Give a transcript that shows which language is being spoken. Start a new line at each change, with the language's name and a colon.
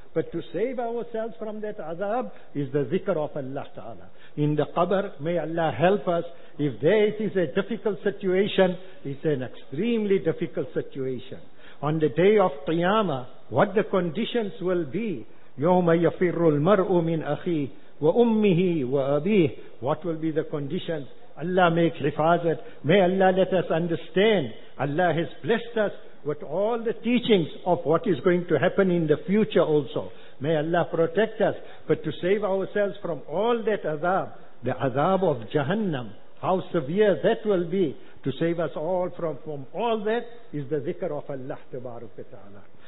English: But to save ourselves from that azab is the zikr of Allah Ta'ala. In the qabr, may Allah help us. If there it is a difficult situation, it's an extremely difficult situation. On the day of Qiyamah, what the conditions will be?
Arabic: يَوْمَ يَفِرُّ الْمَرْءُ مِنْ أَخِيهِ وَأُمِّهِ وَأَبِيهِ.
English: What will be the conditions? Allah make hifazat. May Allah let us understand. Allah has blessed us with all the teachings of what is going to happen in the future also. May Allah protect us. But to save ourselves from all that azab, the azab of Jahannam, how severe that will be, to save us all from all that is the zikr of Allah tabaraka ta'ala.